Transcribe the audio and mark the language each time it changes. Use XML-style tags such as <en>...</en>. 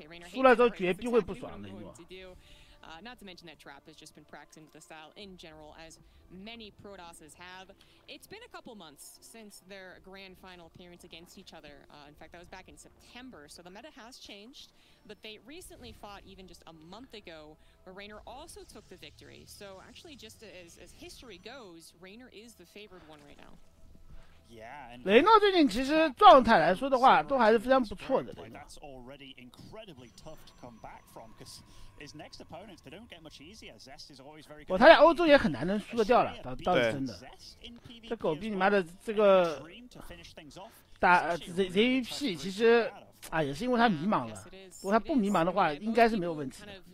<zh>输了之后绝逼会不爽的，雷诺。</zh> <en>Not to mention that Trap has just been practicing the style in general, as many Protosses have. It's been a couple months since their grand final appearance against each other. In fact, that was back in September, so the meta has changed. But they recently fought even just a month ago, where Rainer also took the victory. So actually, just as history goes, Rainer is the favored one right now.</en> <zh>Yeah, and 雷诺最近其实状态来说的话，都还是非常不错的。</zh> <en>That's already incredibly tough to come back from, because his next opponents they don't get much easier. Zest is always very good.</en> <zh>他在欧洲也很难能输得掉了，倒是真的。这狗逼你妈的，这个打 ZVP 其实啊，也是因为他迷茫了。如果他不迷茫的话，应该是没有问题的。</zh>